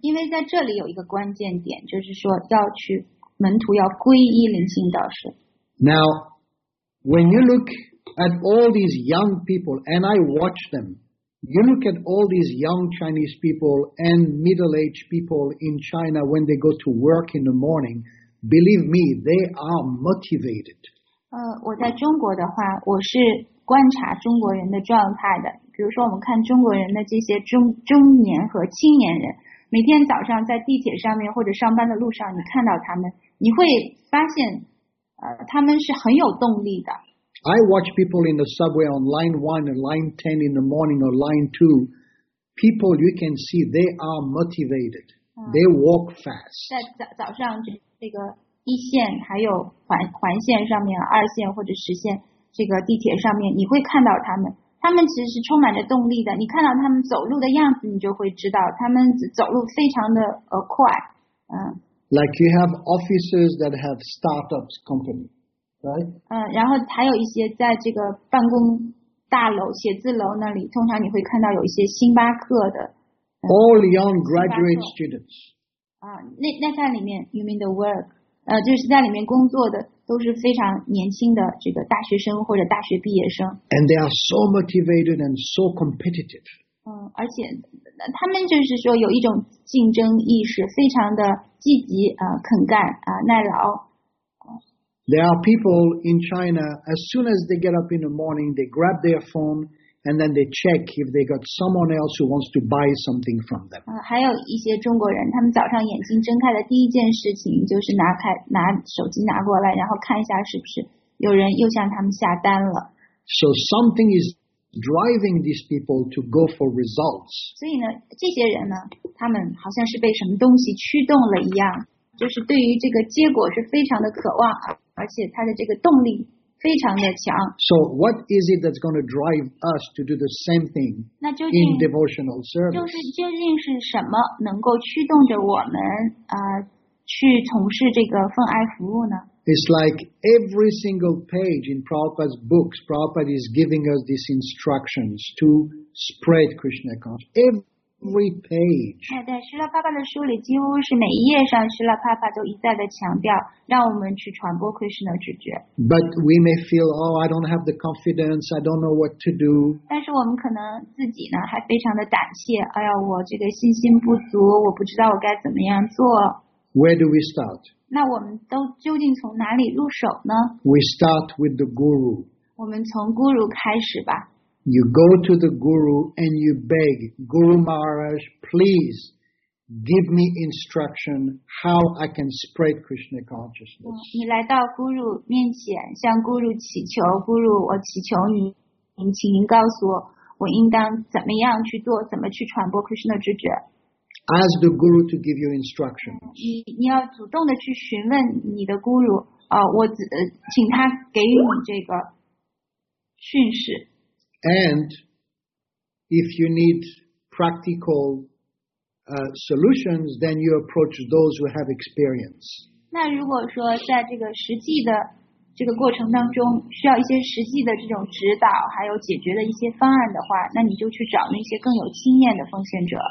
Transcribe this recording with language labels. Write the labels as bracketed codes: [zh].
[zh] 因为在这里有一个关键点，就是说要去门徒要皈依灵性导师。 [en] Now, when you look at all these young people, and I watch them, you look at all these young Chinese people and middle-aged people in China when they go to work in the morning, believe me, they are motivated. [zh] 我在中国的话，我是观察中国人的状态的。比如说，我们看中国人的这些中年和青年人，每天早上在地铁上面或者上班的路上，你看到他们，你会发现，他们是很有动力的。 [en] I watch people in the subway on line 1 and line 10 in the morning or line 2. People, you can see, they are motivated. They walk fast. [zh] 在早上这个一线还有环线上面，二线或者十线这个地铁上面，你会看到他们。他们其实是充满着动力的。你看到他们走路的样子，你就会知道他们走路非常的快。 [en] Like you have officers that have startups company. [zh] 然后还有一些在这个办公大楼写字楼那里，通常你会看到有一些星巴克的。 [en] All young graduate students. [zh] 那在里面 [en] ，you mean the work？ [zh] 就是在里面工作的都是非常年轻的这个大学生或者大学毕业生。 [en] And they are so motivated and so competitive. [zh] 而且他们就是说有一种竞争意识，非常的积极肯干耐劳。 [en] There are people in China, as soon as they get up in the morning, they grab their phone, and then they check if they got someone else who wants to buy something from them. [zh] 还有一些中国人，他们早上眼睛睁开的第一件事情就是拿手机拿过来，然后看一下是不是有人又向他们下单了。 [en] So something is driving these people to go for results. [zh] 所以呢，这些人呢，他们好像是被什么东西驱动了一样，就是对于这个结果是非常的渴望，而且他的这个动力非常的强。 [en] So what is it that's going to drive us to do the same thing in devotional service? [zh] 就是究竟是什么能够驱动着我们去从事这个奉爱服务呢？ [en] It's like every single page in Prabhupada's books, Prabhupada is giving us these instructions to spread Krishna consciousness. Every page. [zh] 对，师拉帕帕的书里几乎是每一页上，师拉帕帕都一再的强调，让我们去传播 Krishna 知觉。 [en] But we may feel, oh, I don't have the confidence. I don't know what to do. [zh] 但是我们可能自己呢，还非常的胆怯。哎呀，我这个信心不足，我不知道我该怎么样做。 [en] Where do we start? [zh] 那我们都究竟从哪里入手呢？ [en] We start with the guru. [zh] 我们从 guru 开始吧。 [en] You go to the guru and you beg, Guru Maharaj, please give me instruction how I can spread Krishna consciousness. [zh] 你来到 guru 面前，向 guru 祈求 ，guru， 我祈求你，请您告诉我，我应当怎么样去做，怎么去传播 Krishna 知觉。 [en] Ask the guru to give you instructions. [zh] 你要主动的去询问你的 guru， 请他给予你这个训示。 [en] And if you need practical solutions, then you approach those who have experience. [zh] 那如果说在这个实际的这个过程当中需要一些实际的这种指导，还有解决的一些方案的话，那你就去找那些更有经验的奉献者。